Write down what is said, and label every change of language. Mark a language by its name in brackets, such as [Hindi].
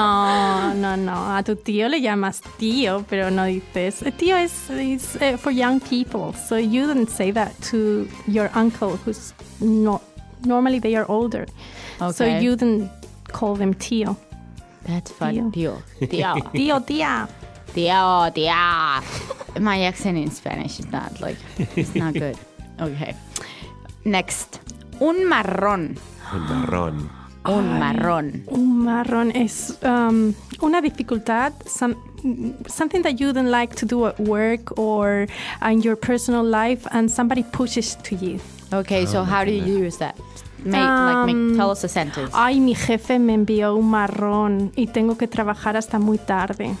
[Spanish] A tu tío le llamas tío, pero no dices. [English] Tío is for young people. So you don't say that to your uncle, who's not, normally they are older. Okay. So you don't call them tío. That's funny. Tío. [Spanish] Tío. Tío, tía. Tío, tía. [English] My accent in Spanish is not like, it's not good. [Spanish] Okay. Next. Un marrón. Un marrón. Un marrón es una dificultad, [English] something that you don't like to do at work or in your personal life, and somebody pushes to you. Okay, so how do you use that? Tell us a sentence. [Spanish] Ay, mi jefe me envió un marrón y tengo que trabajar hasta muy tarde.